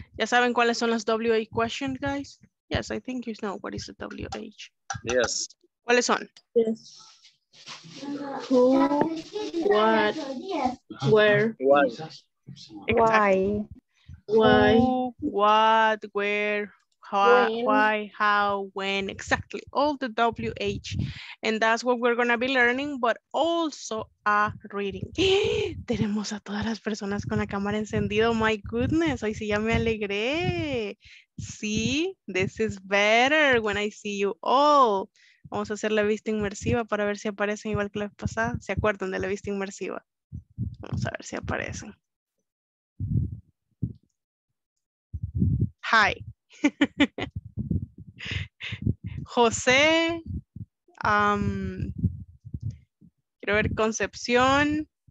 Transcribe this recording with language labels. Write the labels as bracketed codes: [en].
[es] ¿Ya saben cuáles son las [en] WH questions, guys? Yes, I think you know what is the WH. Yes. [es] ¿Cuáles son? [en] Yes. Who, what, where, what? Exactly. Why. Who, what, where, why, how, when, exactly, all the WH. And that's what we're going to be learning, but also a reading. [es] Tenemos a todas las personas con la cámara encendido. [en] My goodness, [es] hoy sí ya me alegré. [en] See, this is better when I see you all. [es] Vamos a hacer la vista inmersiva para ver si aparecen igual que la vez pasada. ¿Se acuerdan de la vista inmersiva? Vamos a ver si aparecen. [en] Hi. [es] José. Quiero ver Concepción.